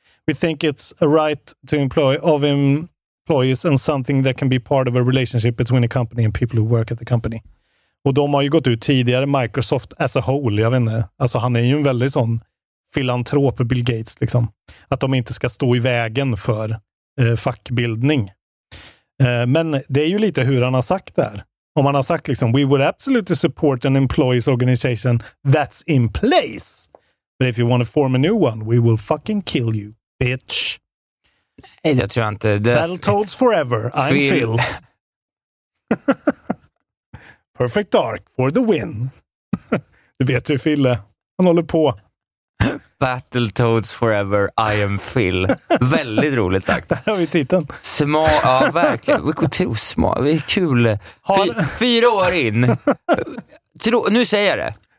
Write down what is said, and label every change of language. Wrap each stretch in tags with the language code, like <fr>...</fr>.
<en>We think it's a right to employ of employees and something that can be part of a relationship between a company and people who work at the company.</en> <sv>Och de har ju gått ut tidigare, Microsoft as a whole, jag vet inte. Alltså han är ju en väldigt sån filantrop för Bill Gates liksom. Att de inte ska stå i vägen för fackbildning. Men det är ju lite hur han har sagt där.</sv> <en>Om man har sagt liksom, we would absolutely support an employees organization that's in place. But if you want to form a new one, we will fucking kill you, bitch.</en> <sv>Nej, det tror jag inte.</sv> <en>Battletoads forever, I'm Phil. Perfect Dark for the win.</en> <sv>Du vet ju, Phil, han håller på.</sv> <en>Battletoads forever, I am Phil. Väldigt roligt sagt.</en> <sv>Där har vi titeln. Ja, verkligen. Vi går till smart. Det är kul. Fyra år in. Nu säger jag det.</sv>